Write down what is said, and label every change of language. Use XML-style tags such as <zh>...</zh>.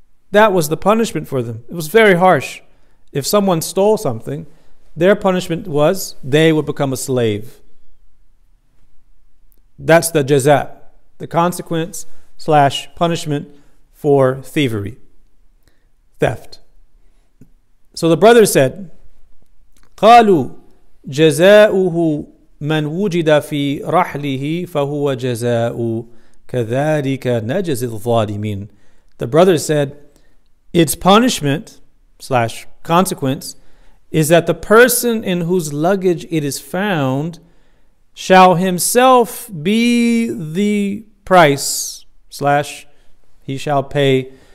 <en>That was the punishment for them. It was very harsh. If someone stole something, their punishment was they would become a slave. That's the jaza, the consequence / punishment for thievery, theft. So the brother said,</en> <ar>قالوا جزاؤه من وجد في رحله فهو جزاء كذلك نجزي الظالمين.</ar> <en>The brother said, its punishment / consequence is that the person in whose luggage it is found shall himself be the price / he shall pay.</en>